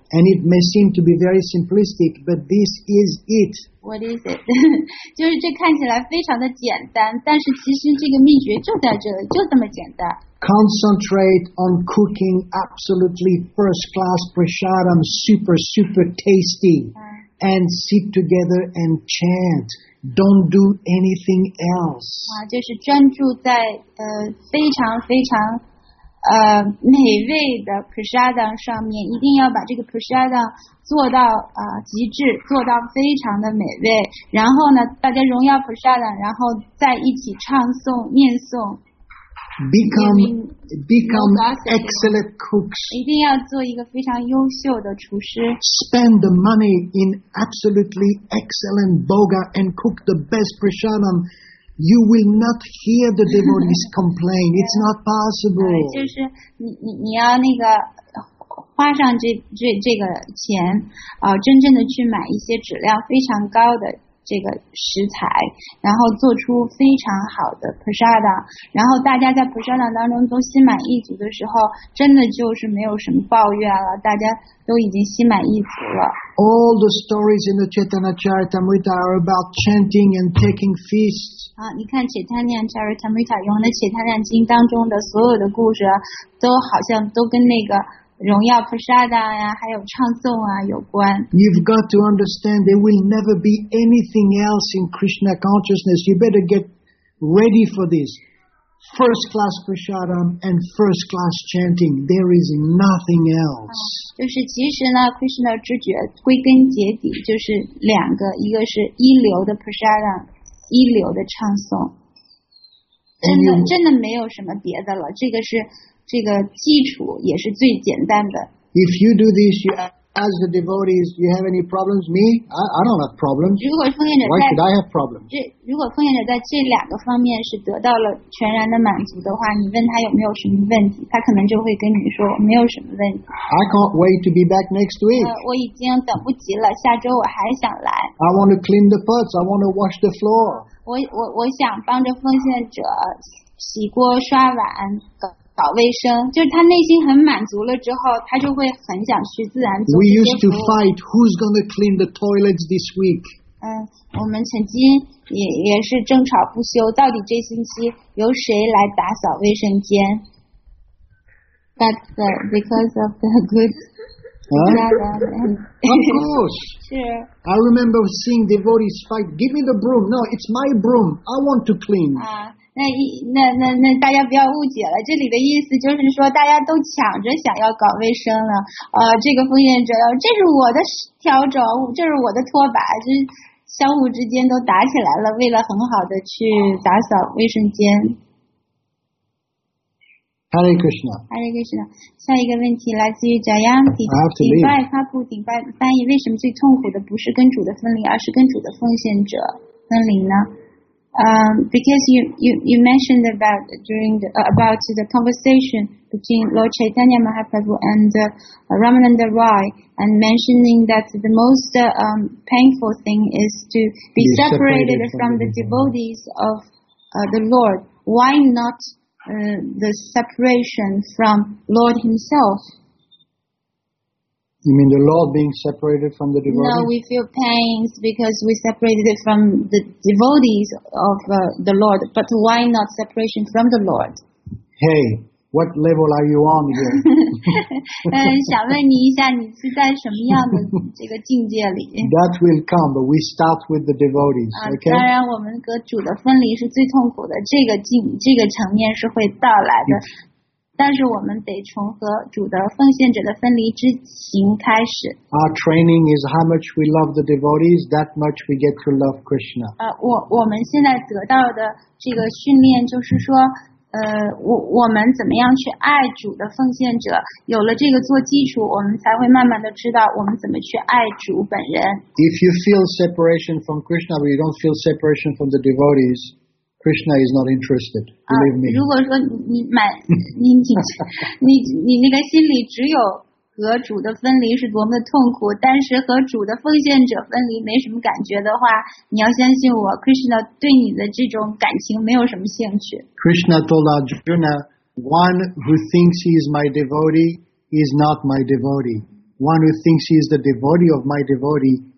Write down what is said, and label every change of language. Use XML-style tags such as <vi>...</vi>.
<en>And it may seem to be very simplistic, but this is it. What is it?</en> <zh>就是这看起来非常的简单，但是其实这个秘诀就在这里，就这么简单。</zh> <en>concentrate on cooking absolutely first-class prasadam, super, super tasty, and sit together and chant. Don't do anything else.</en> <zh>就是专注在非常非常美味的 prasadam 上面，一定要把这个 prasadam 做到极致，做到非常的美味。然后呢，大家荣耀 prasadam， 然后再一起唱诵、念诵。</zh> <en>Become excellent cooks.</en> <zh>一定要做一个非常优秀的厨师。</zh> <en>Spend the money in absolutely excellent boga and cook the best prasadam. You will not hear the devotees complain. It's not possible.</en> <zh>就是你要那个花上这个钱啊，真正的去买一些质量非常高的这个食材，然后做出非常好的 prasadam， 然后大家在 prasadam 当中都心满意足的时候，真的就是没有什么抱怨了，大家都已经心满意足了。</zh> <en>All the stories in the Chaitanya Charitamrita are about chanting and taking feasts.</en> <zh>啊，你看 Chaitanya Charitamrita 用的 Chaitanya 经当中的所有的故事，都好像都跟那个荣耀 prasadam 呀，还有唱诵啊，有关。</zh> <en>You've got to understand there will never be anything else in Krishna consciousness. You better get ready for this. First class prasadam and first class chanting. There is nothing else.</en> <zh>就是其实呢 ，Krishna 知觉归根结底就是两个，一个是一流的 prasadam， 一流的唱诵。真的没有什么别的了，这个是。这个基础也是最简单的。</zh> <en>If you do this, you as the devotees, you have any problems? Me? I don't have problems.</en> <zh>如果奉献者</zh> <en>Why should I have problems?</en> <zh>如果奉献者在这两个方面是得到了全然的满足的话，你问他有没有什么问题，他可能就会跟你说没有什么问题。</zh> <en>I can't wait to be back next week.</en> <zh>我已经等不及了，下周我还想来。</zh> <en>I want to clean the pots. I want to wash the floor.</en> <zh>我想帮着奉献者洗锅刷碗。搞卫生，就是他内心很满足了之后，他就会很想去自然做。</zh> <en>We used to fight who's going to clean the toilets this week.</en> <zh>我们曾经也是争吵不休，到底这星期由谁来打扫卫生间 ？</zh> <en>That's because of the good. Of course. Sure. I remember seeing devotees fight. Give me the broom. No, it's my broom. I want to clean.</en> <zh>那大家不要误解了，这里的意思就是说，大家都抢着想要搞卫生了。这个奉献者，这是我的笤帚，这是我的拖把，就是相互之间都打起来了，为了很好的去打扫卫生间。</zh> <en>Hare Krishna.</en> <zh>Hare Krishna. 下一个问题来自于 Jayanti. 顶拜发布顶拜翻译，为什么最痛苦的不是跟主的分离，而是跟主的奉献者分离呢？</zh> <en>Because you mentioned about during the, about the conversation between Lord Chaitanya Mahaprabhu and Ramananda Roy, and mentioning that the most painful thing is to be separated from the devotees of the Lord. Why not the separation from Lord himself? You mean the Lord being separated from the devotees? No, we feel pains because we separated from the devotees of the Lord. But why not separation from the Lord? Hey, what level are you on here?</en> <zh>想问你一下，你是在什么样的这个境界里</zh> <en>？That will come, but we start with the devotees. Okay.</en> <zh>当然，我们跟主的分离是最痛苦的，这个层面是会到来的。但是我们得从和主的奉献者的分离之情开始。</zh> <en>Our training is how much we love the devotees, that much we get to love Krishna.</en> <zh>我们现在得到的这个训练就是说，我们怎么样去爱主的奉献者？有了这个做基础，我们才会慢慢的知道我们怎么去爱主本人。</zh> <en>If you feel separation from Krishna, but you don't feel separation from the devotees. Krishna is not interested. Believe me.</en> <zh>如果说你那个心里只有和主的分离是多么的痛苦，但是和主的奉献者分离没什么感觉的话，你要相信我 ，Krishna 对你的这种感情没有什么兴趣。</zh> <en>Krishna told Arjuna, "One who thinks he is my devotee is not my devotee. One who thinks he is the devotee of my devotee."</en>